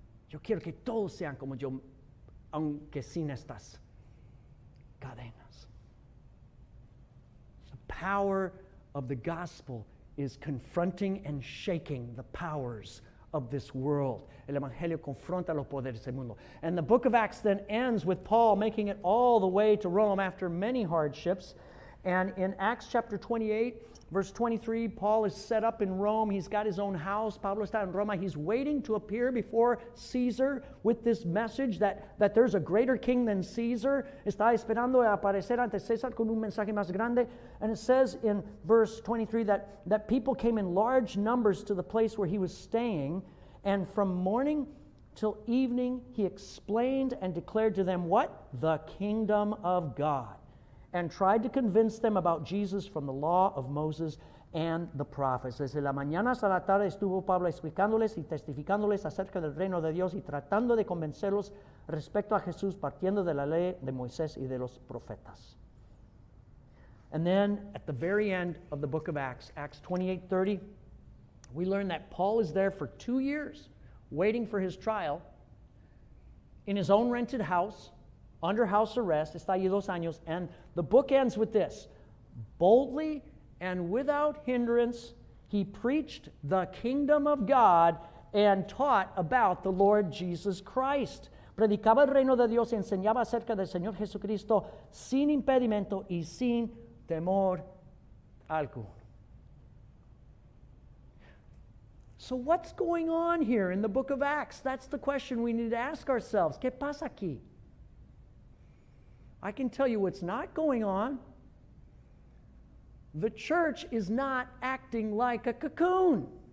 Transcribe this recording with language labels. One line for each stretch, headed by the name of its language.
Spanish: Yo quiero que todos sean como yo, aunque sin estas cadenas.
English: The power of the gospel is confronting and shaking the powers of this world.
Spanish: El evangelio confronta los poderes del mundo.
English: And the book of Acts then ends with Paul making it all the way to Rome after many hardships. And in Acts chapter 28, Verse 23, Paul is set up in Rome. He's got his own house.
Spanish: Pablo está en Roma.
English: He's waiting to appear before Caesar with this message that there's a greater king than Caesar.
Spanish: Está esperando aparecer ante César con un mensaje más grande.
English: And it says in verse 23 that people came in large numbers to the place where he was staying. And from morning till evening, he explained and declared to them what? The kingdom of God. And tried to convince them about Jesus from the law of Moses and the prophets.
Spanish: Desde la mañana hasta la tarde estuvo Pablo explicándoles y testificándoles acerca del reino de Dios y tratando de convencerlos respecto a Jesús partiendo de la ley de Moisés y de los profetas.
English: And then at the very end of the book of Acts, Acts 28:30, we learn that Paul is there for 2 years waiting for his trial in his own rented house. Under house arrest,
Spanish: está allí dos años,
English: and the book ends with this. Boldly and without hindrance, he preached the kingdom of God and taught about the Lord Jesus Christ.
Spanish: Predicaba el reino de Dios y enseñaba acerca del Señor Jesucristo sin impedimento y sin temor alguno.
English: So what's going on here in the book of Acts? That's the question we need to ask ourselves.
Spanish: ¿Qué pasa aquí?
English: I can tell you what's not going on. The church is not acting like a cocoon.